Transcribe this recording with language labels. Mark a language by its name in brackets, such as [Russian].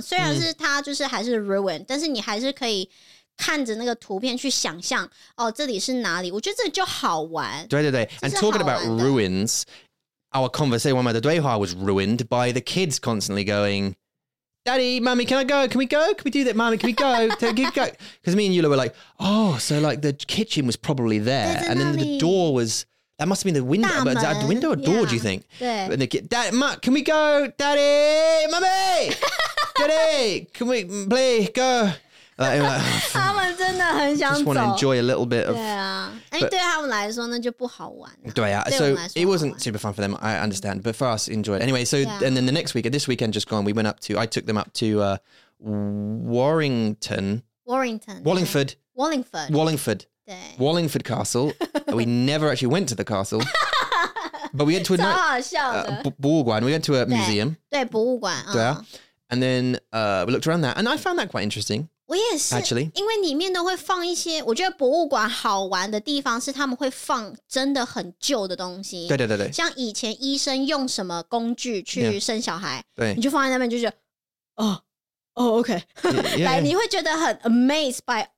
[Chinese] 对，火炉还是哪里，你就可以自己想象。虽然是它就是还是 ruin，但是你还是可以。看着那个图片去想象，哦，这里是哪里？我觉得这就好玩。对对对， [English] and talking about ruins, our conversation with my the Dweihua was ruined by the kids constantly going, "Daddy, mommy, can I go? Can we go? Can we do that, mommy? Can we go? Can we go?" Because me and Yula were like, "Oh, so like the kitchen was probably there, and then the door was that must have been the window, but that window or door? Do you think?" Yeah. And the kid, "Dad, mom, can we go? Daddy, mommy, Daddy, can we play? Go." Just want to enjoy a little bit of. Yeah, but, so it wasn't super fun for them, I understand. But for us, enjoy it. Anyway, so yeah. And then the next week, this weekend just gone, I took them up to Wallingford Castle. We never actually went to the castle. But we went to a. museum. [Chinese] 对，博物馆。对啊。 [English] And then we looked around that, and I found that quite interesting. [Chinese] 我也是, [English] actually, [Chinese] 因为里面都会放一些，我觉得博物馆好玩的地方是他们会放真的很旧的东西。对对对对，像以前医生用什么工具去生小孩，对，你就放在那边就是，哦，OK，来，你会觉得很 [English] amazed by